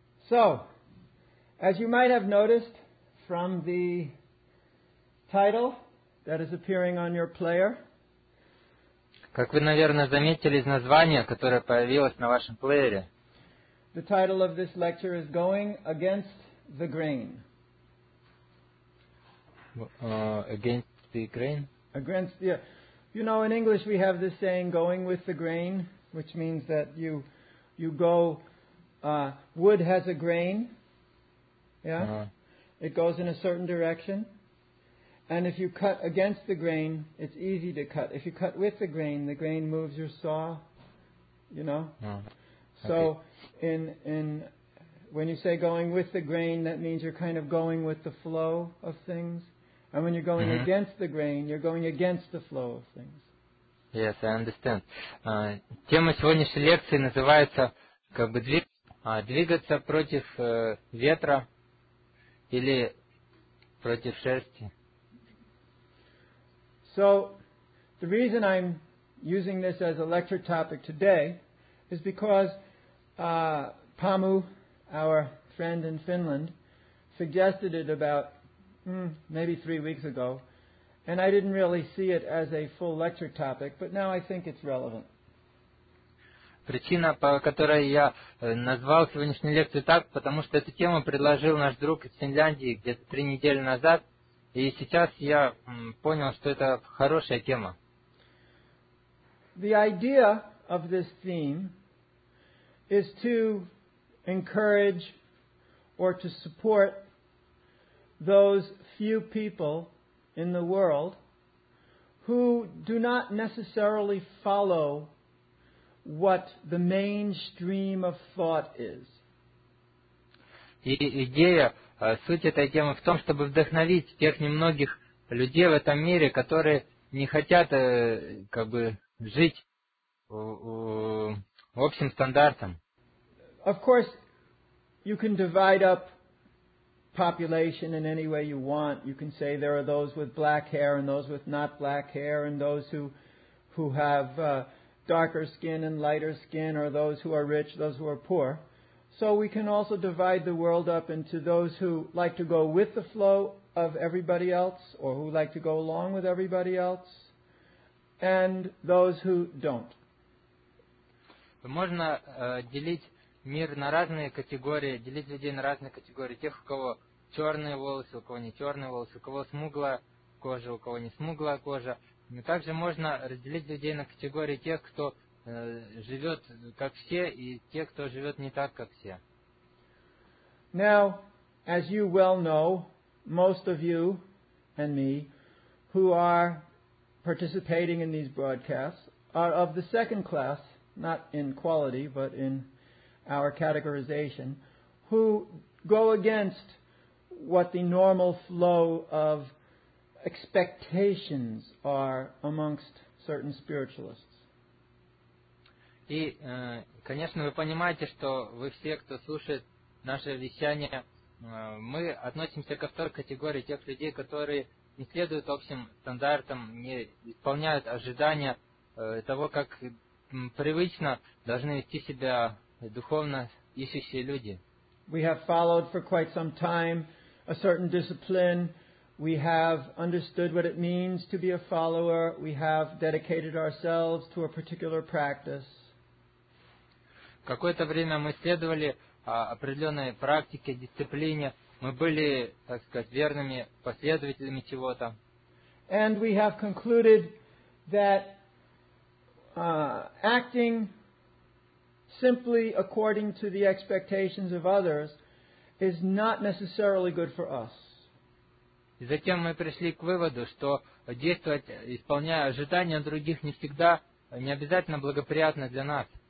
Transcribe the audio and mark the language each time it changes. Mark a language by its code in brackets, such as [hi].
[en] So, as you might have noticed from the title that is appearing on your player, [ru] как вы, наверное, заметили из названия, которое появилось на вашем плеере, [en] the title of this lecture is Going Against the Grain. Against the grain? Against, yeah. You know, in English we have this saying, going with the grain, which means that you go, wood has a grain, yeah? It goes in a certain direction. And if you cut against the grain, it's easy to cut. If you cut with the grain moves your saw, you know? So, okay. in when you say going with the grain, that means you're kind of going with the flow of things. And when you're going against the grain, you're going against the flow of things. Yes, I understand. [ru] Тема сегодняшней лекции называется как бы двигаться против ветра или против шерсти. [en] So, the reason I'm using this as a lecture topic today is because Pamu, our friend in Finland, suggested it about maybe 3 weeks ago, and I didn't really see it as a full lecture topic, but now I think it's relevant. [ru] Причина, по которой я назвал сегодняшнюю лекцию так, потому что эту тему предложил наш друг из Финляндии где-то 3 недели назад, и сейчас я понял, что это хорошая тема. [en] The idea of this theme is to encourage or to support those few people in the world who do not necessarily follow what the mainstream of thought is. [ru] И идея, суть этой темы в том, чтобы вдохновить тех немногих людей в этом мире, которые не хотят как бы жить общим стандартом. [en] Of course, you can divide up population in any way you want. You can say there are those with black hair and those with not black hair and those who have darker skin and lighter skin or those who are rich, those who are poor. So we can also divide the world up into those who like to go with the flow of everybody else or who like to go along with everybody else and those who don't. [ru] Можно делить мир на разные категории, делить людей на разные категории. Тех, у кого черные волосы, у кого не черные волосы, у кого смуглая кожа, у кого не смуглая кожа. Но также можно разделить людей на категории тех, кто живет как все, и тех, кто живет не так, как все. [en] Now, as you well know, most of you and me, who are participating in these broadcasts, are of the second class, not in quality, but in our categorization, who go against what the normal flow of expectations are amongst certain spiritualists. [ru] И, конечно, вы понимаете, что вы все, кто слушает наше вещание, мы относимся ко второй категории тех людей, которые не следуют общим стандартам, не исполняют ожидания того, как привычно должны вести себя духовно ищущие люди. [en] We have followed for quite some time a certain discipline. We have understood what it means to be a follower. We have dedicated ourselves to a particular practice. [ru] Какое-то время мы следовали определенной практике, дисциплине. Мы были, так сказать, верными последователями чего-то. [en] And we have concluded that acting simply according to the expectations of others is not necessarily good for us. [ru] И затем мы пришли к выводу, что действовать, исполняя ожидания других, не всегда, не обязательно благоприятно для нас.